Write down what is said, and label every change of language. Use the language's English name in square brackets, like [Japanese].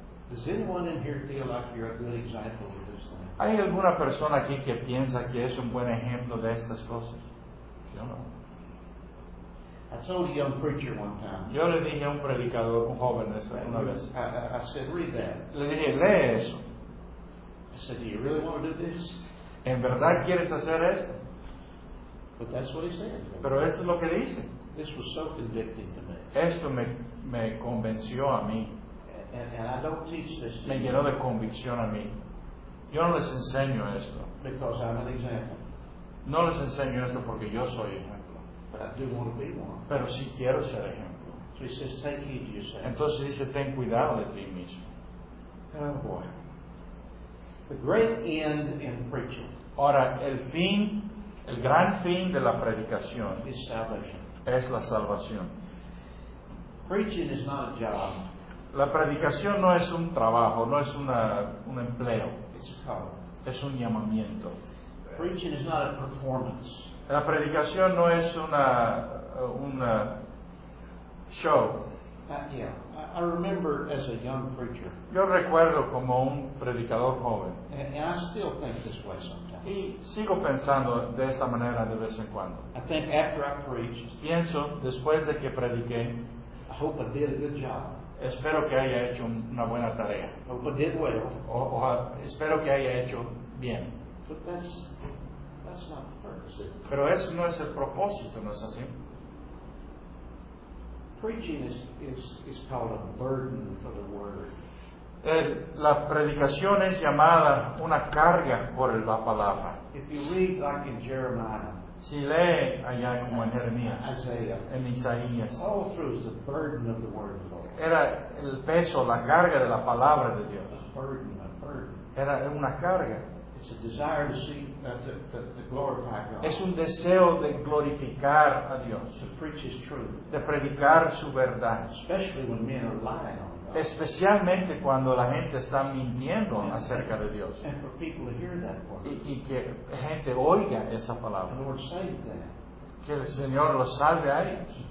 [English] Does anyone in here feel like you're a good example of this thing? [Spanish] ¿Hay alguna persona aquí que piensa que es un buen ejemplo de estas cosas? Yo no. [English] I told a young preacher one time. [Spanish] Yo le dije a un predicador, un joven, una vez. [English] I said, read that. [Spanish] Le dije, lee eso. [English] I said, do you really want to do this? [Spanish] ¿En verdad quieres hacer esto? [English] But that's what he said. [Spanish] Pero eso es lo que dice. [English] This was so convicting to me. [Spanish] Esto me convenció a mí. [English] And I don't teach this to [Spanish] me llenó de convicción a mí. Yo no les enseño esto. [English] Because I'm an example. [Spanish] No les enseño esto porque yo soy ejemplo. [English] But I do want to be one. [Spanish] Pero sí quiero ser ejemplo. [English] So he says, take heed to yourself. [Spanish] Entonces dice, ten cuidado de ti mismo. [English] Oh boy. The great end in preaching. [Spanish] Ahora, el fin, el gran fin de la predicación [English] is salvation. [Spanish] Es la salvación. [English] Preaching is not a job. [Spanish] La predicación no es un trabajo, no es un empleo. [English] It's a call. [Spanish] Es un llamamiento. [English] Preaching is not a performance. [Spanish] La predicación no es una show. [English] Yeah, I remember as a young preacher. [Spanish] Yo recuerdo como un predicador joven. [English] And I still think this way sometimes. [Spanish] Y sigo pensando de esta manera de vez en cuando. [English] I think after I preached, [Spanish] pienso después de que prediqué. [English] I hope I did a good job. [Spanish] Espero que haya hecho una buena tarea. [English] I hope I did well. [Spanish] Espero que haya hecho bien. [English] But that's not the purpose. [Spanish] Pero eso no es el propósito, ¿no es así? [English] Preaching is called a burden for the word. [Spanish] La predicación es llamada una carga por la palabra. [English] If you read like in Jeremiah, [Spanish] si lee allá como en Jeremías, [English] Isaiah, [Spanish] en Isaías, [English] all through is the burden of the word of the Lord. [Spanish] Era el peso, la carga de la palabra de Dios. [English] A burden. [Spanish] Era una carga. [English] It's a desire to see to glorify God. [Spanish] Es un deseo de glorificar a Dios. [English] To preach His truth. [Spanish] De predicar su verdad. [English] Especially when men are lying on. [Spanish] Especialmente cuando la gente está mintiendo acerca de Dios y que gente oiga esa palabra, que el Señor los salve a ellos.